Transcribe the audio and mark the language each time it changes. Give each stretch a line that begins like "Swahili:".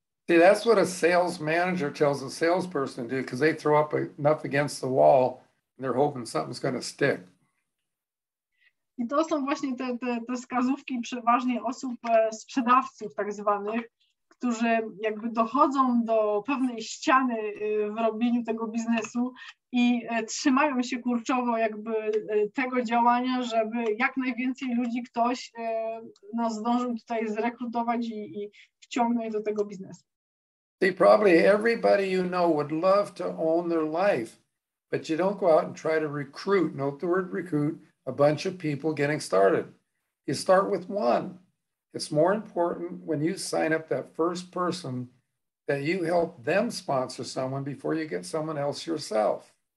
English: See, that's what a sales manager tells a salesperson to do, because they throw up enough against the wall and they're hoping something's going to stick.
Polish: I to są właśnie te wskazówki przeważnie osób sprzedawców tak zwanych, którzy jakby dochodzą do pewnej ściany w robieniu tego biznesu i trzymają się kurczowo jakby tego działania, żeby jak najwięcej ludzi ktoś no, zdążył tutaj zrekrutować i wciągnąć do tego biznesu.
English: See, probably everybody you know would love to own their life, but you don't go out and try to recruit, note the word recruit, a bunch of people getting started. You start with one. It's more important when you sign up that first person that you help them sponsor someone before you get someone else yourself.